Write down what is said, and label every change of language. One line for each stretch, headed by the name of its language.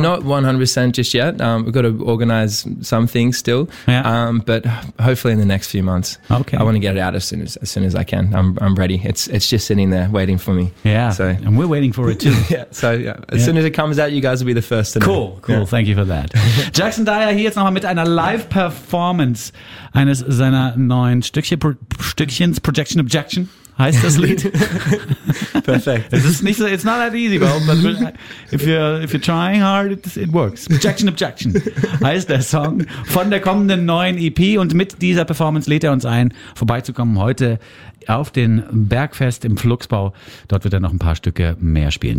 English: not 100% just yet? We've got to organize some things still. But hopefully in the next few months. Okay. I want to get it out as soon as I can. I'm ready. It's just sitting there waiting for me. And we're waiting for it too. Soon as it comes out, you guys will be the first to know. Cool. Thank you for that.
German: Jackson Dyer hier jetzt nochmal mit einer Live-Performance eines seiner neuen Stückchens, Projection Objection, heißt das Lied.
English: Perfect. It's not that easy, but if you're trying hard, it works.
German: Projection Objection heißt der Song von der kommenden neuen EP, und mit dieser Performance lädt er uns ein, vorbeizukommen heute auf den Bergfest im Fluxbau. Dort wird er noch ein paar Stücke mehr spielen.